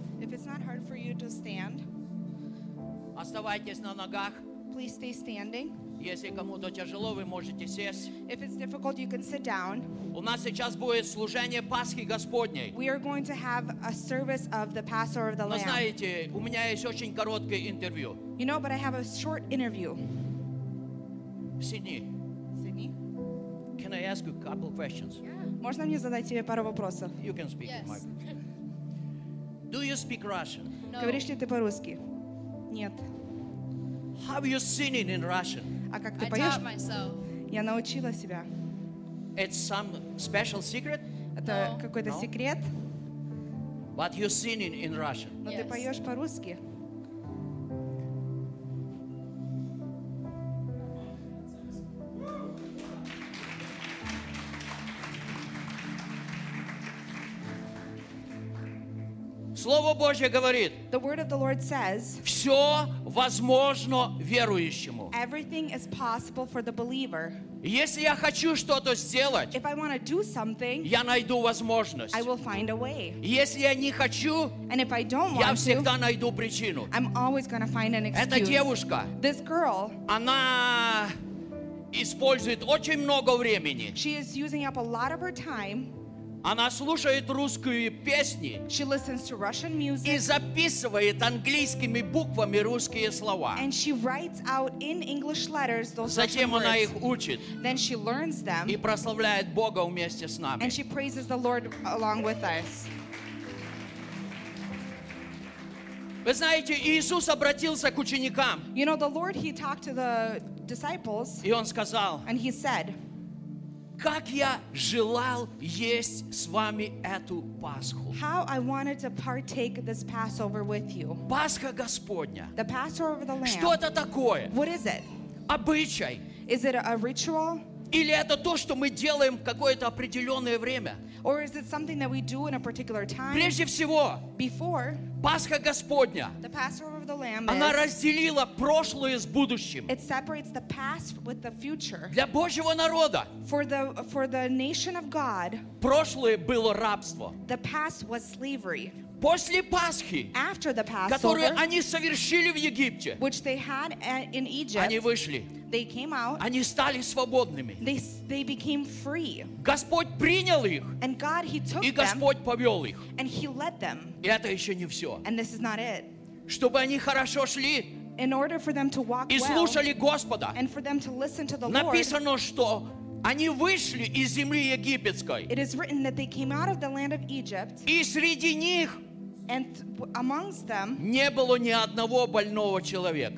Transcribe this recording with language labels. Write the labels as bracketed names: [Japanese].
[English] if it's not hard for you to stand, [Russian] оставайтесь на ногах. [English] Please stay standing. [Russian] Если кому-то тяжело, вы можете сесть. [English] If it's difficult, you can sit down. [Russian] У нас сейчас будет служение Пасхи Господней. [English] We are going to have a service of the Passover of the Lamb. [Russian] Но знаете, у меня есть очень короткое интервью. [English] You know, but I have a short interview. [Russian] Сидни. Сидни. [English] Can I ask you a couple questions? Yeah. [Russian] Можно мне задать тебе пару вопросов? [English] You can speak. Yes. Do you speak Russian? No. [Russian] Говоришь ли ты по-русски? Нет. [English] How are you singing in Russian? [Russian] А как ты [English] I [Russian] поешь? [English] Taught myself. [Russian] Я научила себя. [English] It's some special secret? [Russian] Это [English] no. [Russian] какой-то [English] no. [Russian] секрет? [English] But you're singing in Russian. [Russian] Но [English] yes. [Russian] ты поешь по-русски? Слово Божье говорит. [English] The word of the Lord says. [Russian] Все возможно верующему. [English] Everything is possible for the believer. [Russian] Если я хочу что-то сделать, [English] if I want to do something, [Russian] я найду возможность. [English] I will find a way. [Russian] Если я не хочу, [English] and if I don't want [Russian] я всегда [English] to, [Russian] найду причину. [English] I'm always going to find an excuse. [Russian] Эта девушка, [English] this girl, [Russian] она использует очень много времени. [English] She is using up a lot of her time. [Russian] Она слушает русские песни [English] she listens to Russian music, [Russian] и записывает английскими буквами русские слова. [English] And she writes out in English letters those Russian words. [Russian] Затем она их учит [English] Then she learns them, [Russian] и прославляет Бога вместе с нами. [English] And she praises the Lord along with us. [Russian] Вы знаете, Иисус обратился к ученикам. [English] You know, the Lord, he talked to the disciples, [Russian] и Он сказал, [English] and he said, [Russian] Как я желал есть с вами эту Пасху. [English] How I wanted to partake this Passover with you. [Russian] Пасха Господня. [English] The Passover of the Lamb. [Russian] Что это такое? [English] What is it? [Russian] Обычай. [English] Is it a ritual? [Russian] Или это то, что мы делаем в какое-то определенное время? [English] Or is it something that we do in a particular time? [Russian] Прежде всего. [English] Before. [Russian] Пасха Господня. [English] The Passover of the Lamb. [Russian] Она разделила прошлое с будущим. [English] It separates the past with the future. [Russian] Для Божьего народа. [English] For the nation of God. [Russian] Прошлое было рабство. [English] The past was slavery. [Russian] После Пасхи, [English] After the Passover, [Russian] которую они совершили в Египте, [English] which they had in Egypt, [Russian] они вышли. [English] They came out. [Russian] Они стали свободными. [English] They became free. [Russian] Господь принял их. [English] And God, he took [Russian] и Господь [English] them, [Russian] повел их. [English] And he led them. [Russian] И это еще не все. [English] And this is not it. [Russian] Чтобы они хорошо шли [English] in order for them to walk [Russian] и слушали Господа, [English] and for them to listen to the Lord, [Russian] написано, что они вышли из земли египетской. [English] It is written that they came out of the land of Egypt. [Russian] И среди них [English] And amongst them, [Russian] не было ни одного больного человека.